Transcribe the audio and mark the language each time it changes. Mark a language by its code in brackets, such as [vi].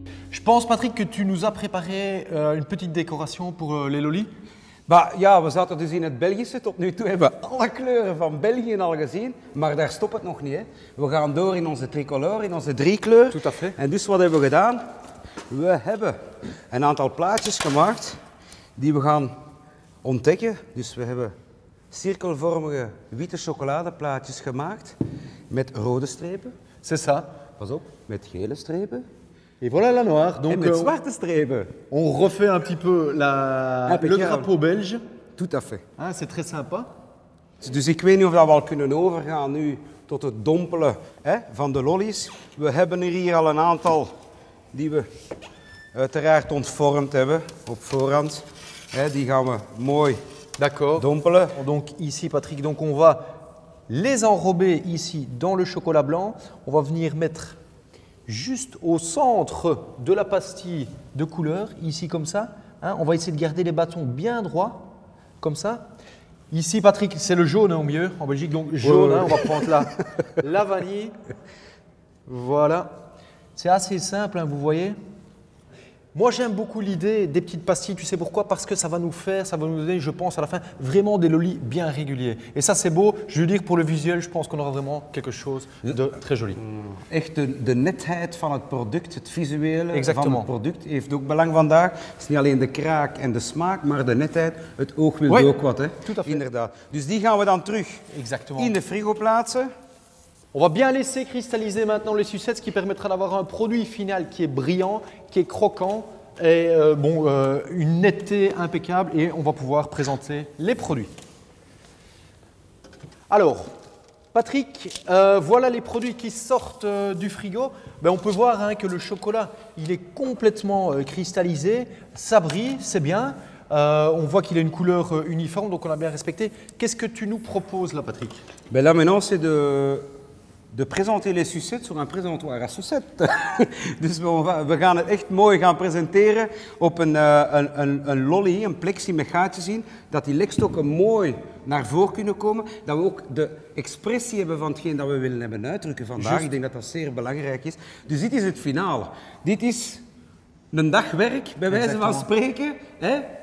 [fr] Je pense, Patrick, que tu nous as préparé une petite décoration pour les lolis. [nl] Bah, ja, we zaten dus in het Belgische. Tot nu toe hebben we alle kleuren van België al gezien. Maar daar stopt het nog niet. Hè. We gaan door in onze tricolore, in onze driekleur. [fr] Tout à fait. [nl] En dus wat hebben we gedaan? We hebben een aantal plaatjes gemaakt die we gaan ontdekken. Dus we hebben cirkelvormige witte chocoladeplaatjes gemaakt met rode strepen. [fr] C'est ça. [nl] Pas op. Met gele strepen. [fr] Et voilà la noire. Donc, [nl] et met zwarte strepen. [fr] On refait un petit peu le drapeau belge. Tout à fait. Ah, c'est très sympa. [nl] Dus ik weet niet of dat we al kunnen overgaan nu tot het dompelen, hè, van de lollies. We hebben er hier al een aantal die we uiteraard ontvormd hebben op voorhand. Hè, die gaan we mooi [fr] d'accord [nl] dompelen. [fr] Donc ici Patrick, donc on va les enrober ici dans le chocolat blanc. On va venir mettre juste au centre de la pastille de couleur, ici comme ça. Hein, on va essayer de garder les bâtons bien droits, comme ça. Ici, Patrick, c'est le jaune hein, au mieux, en Belgique. Donc jaune, ouais, hein, ouais. On va prendre la vanille. Voilà. C'est assez simple, hein, vous voyez. Moi, j'aime beaucoup l'idée des petites pastilles. Tu sais pourquoi? Parce que ça va nous faire, ça va nous donner, je pense, à la fin, vraiment des lolis bien réguliers. Et ça, c'est beau. Je veux dire, pour le visuel, je pense qu'on aura vraiment quelque chose de très joli. [nl] Echt de netheid van het product, het visuele van het product, heeft ook belang vandaag. Het is niet alleen de kraak en de smaak, maar de netheid. Het oog wil ook wat, hè? [fr] Tout à fait. [nl] Inderdaad. Dus die gaan we dan terug in de frigo plaatsen. [fr] On va bien laisser cristalliser maintenant les sucettes, ce qui permettra d'avoir un produit final qui est brillant, qui est croquant et une netteté impeccable, et on va pouvoir présenter les produits. Alors, Patrick, voilà les produits qui sortent du frigo. Ben, on peut voir que le chocolat, il est complètement cristallisé, ça brille, c'est bien. On voit qu'il a une couleur uniforme, donc on a bien respecté. Qu'est-ce que tu nous proposes là, Patrick? Ben là maintenant, c'est de présenter les sucettes sur un présentoir à sucettes. [nl] Dus we gaan het echt mooi gaan presenteren op een lolly, een plexi met gaatjes in, dat die lekstokken mooi naar voren kunnen komen, dat we ook de expressie hebben van hetgeen dat we willen hebben uitdrukken vandaag. Just. Ik denk dat dat zeer belangrijk is. Dus dit is het finale. Dit is een dag werk, bij wijze van spreken. Hè?